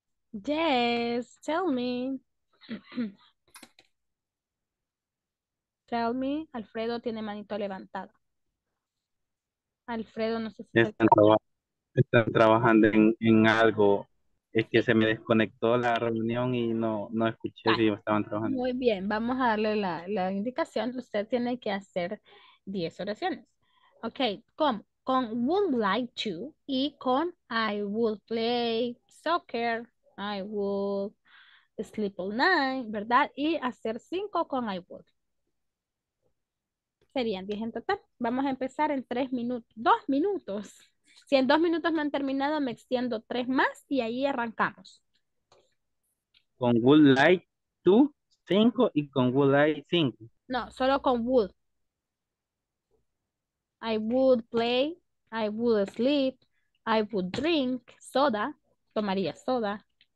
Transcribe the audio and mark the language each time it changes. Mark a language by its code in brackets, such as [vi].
[en] Yes, tell me, [es] Alfredo tiene manito levantado. Alfredo, no sé si están trabajando en algo. Es que se me desconectó la reunión y no escuché si estaban trabajando. Muy bien, vamos a darle la indicación. Usted tiene que hacer 10 oraciones. Okay, ¿cómo? [en] con would like to [es] y con [en] I would play soccer, I would sleep all night, [es] ¿verdad? Y hacer cinco con [en] I would. [es] Serían 10 en total. Vamos a empezar en 3 minutos, 2 minutos. Si en 2 minutos no han terminado, me extiendo 3 más y ahí arrancamos. Con [en] would like to [es] 5 y con [en] would like [es] 5. No, solo con [en] would. I would play, I would sleep, I would drink soda, [es] tomaría soda.